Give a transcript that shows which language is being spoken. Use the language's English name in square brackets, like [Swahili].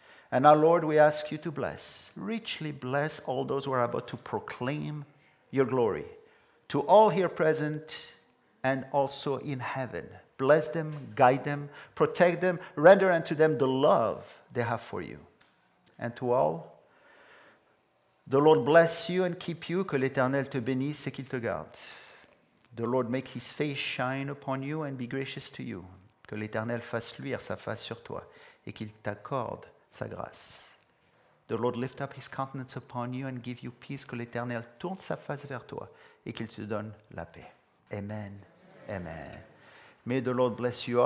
[English] And now, Lord, we ask you to bless, richly bless all those who are about to proclaim your glory to all here present and also in heaven. Bless them, guide them, protect them, render unto them the love they have for you. And to all, the Lord bless you and keep you, [French] que l'Éternel te bénisse et qu'il te garde. [English] The Lord make his face shine upon you and be gracious to you. [French] Que l'Éternel fasse luire sa face sur toi et qu'il t'accorde sa grâce. [English] The Lord lift up his countenance upon you and give you peace. [French] Que l'Éternel tourne sa face vers toi et qu'il te donne la paix. Amen. Amen. [English] May the Lord bless you all.